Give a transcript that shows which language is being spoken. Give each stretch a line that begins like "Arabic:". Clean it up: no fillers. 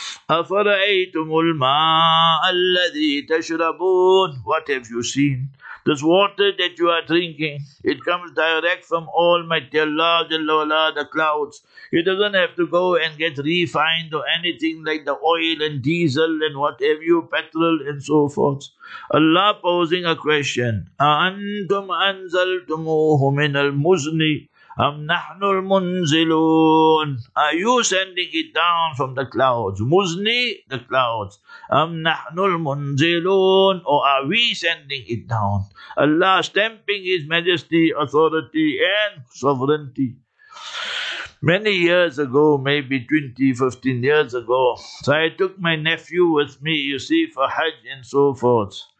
Arabic: أَفَرَأَيْتُمُ الْمَاءَ الَّذِي تَشْرَبُونَ.
English: What have you seen? This water that you are drinking, it comes direct from Almighty Allah, Jalla Wala, the clouds. It doesn't have to go and get refined or anything like the oil and diesel and what have you, petrol and so forth. Allah posing a question,
Arabic: أَأَنْتُمْ أَنْزَلْتُمُوهُ مِنَ الْمُزْنِ أَمْ نَحْنُ الْمُنْزِلُونَ.
English: Are you sending it down from the clouds? Muzni, the clouds.
Arabic: أَمْ نَحْنُ الْمُنْزِلُونَ.
English: Or are we sending it down? Allah stamping His majesty, authority and sovereignty. Many years ago, maybe 20, 15 years ago, so I took my nephew with me, you see, for Hajj and so forth.